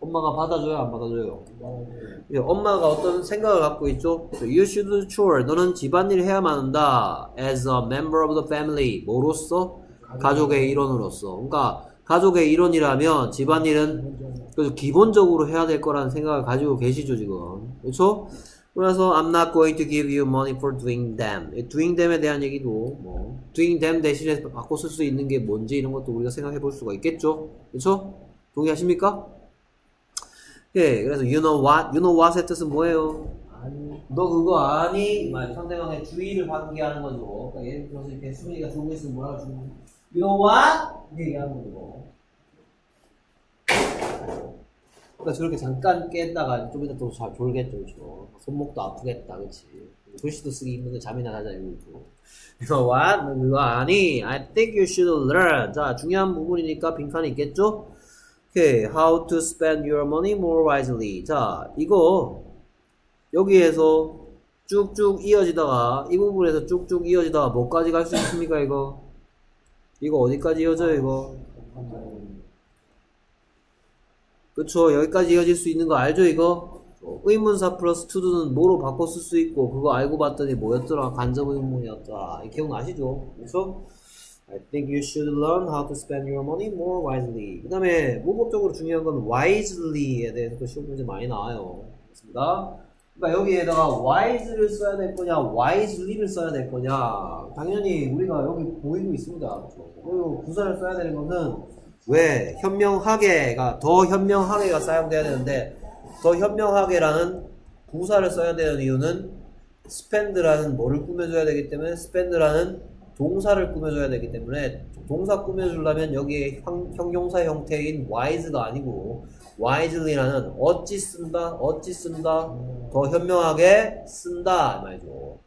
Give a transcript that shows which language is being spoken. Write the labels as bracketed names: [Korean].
[Korean] 엄마가 받아줘요, 안 받아줘요? 엄마가 어떤 생각을 갖고 있죠? [English] So you should do chore. [Korean] 너는 집안일 해야만 한다. [English] As a member of the family. [Korean] 뭐로서? 가족의 일원으로서. 그러니까, 가족의 일원이라면 집안일은 그래서 기본적으로 해야 될 거라는 생각을 가지고 계시죠, 지금. 그렇죠? 그래서 [English] I'm not going to give you money for doing them. [Korean] doing them에 대한 얘기도 뭐 doing them 대신에 바꿔 쓸 수 있는 게 뭔지 이런 것도 우리가 생각해 볼 수가 있겠죠. 그렇죠? 동의하십니까? 예. 그래서 [English] you know what? [Korean] you know what의 뜻은 뭐예요? 아니, 너 그거 아니? 말 상대방의 주의를 받게 하는 거죠. 그러니까 예를 들어서 이렇게 수민이가 들고 있으면 뭐라고 주는 거예요? [English] you know what? [Korean] 얘기하는 거죠. 그러니까 저렇게 잠깐 깼다가 좀 이따 또 잘 졸겠죠, 그쵸? 손목도 아프겠다, 그치? 글씨도 쓰기 힘든데 잠이나 가자, 이거. [English] You know what? [Korean] 너 그거 아니? [English] I think you should learn. [Korean] 자, 중요한 부분이니까 빈칸이 있겠죠? [English] Okay, how to spend your money more wisely. [Korean] 자, 이거 여기에서 쭉쭉 이어지다가 이 부분에서 쭉쭉 이어지다가 뭐까지 갈 수 있습니까, 이거? 이거 어디까지 이어져요, 이거? 그쵸, 여기까지 이어질 수 있는 거 알죠, 이거? 의문사 플러스 투두는 뭐로 바꿔 쓸 수 있고, 그거 알고 봤더니 뭐였더라? 간접 의문이었더라. 기억나시죠? 그쵸? [English] I think you should learn how to spend your money more wisely. [Korean] 그 다음에, 모범적으로 중요한 건 wisely에 대해서 시험 문제 많이 나와요. 그렇습니다. 그러니까 여기에다가 wisely를 써야 될 거냐, wisely를 써야 될 거냐. 당연히 우리가 여기 보이고 있습니다. 그리고 부사를 써야 되는 거는, 왜? 현명하게가, 더 현명하게가 사용되어야 되는데, 더 현명하게라는 부사를 써야 되는 이유는, spend라는 뭐를 꾸며줘야 되기 때문에, spend라는 동사를 꾸며줘야 되기 때문에, 동사 꾸며주려면 여기에 형용사 형태인 wise가 아니고, wisely라는 어찌 쓴다, 어찌 쓴다, 더 현명하게 쓴다, 말이죠.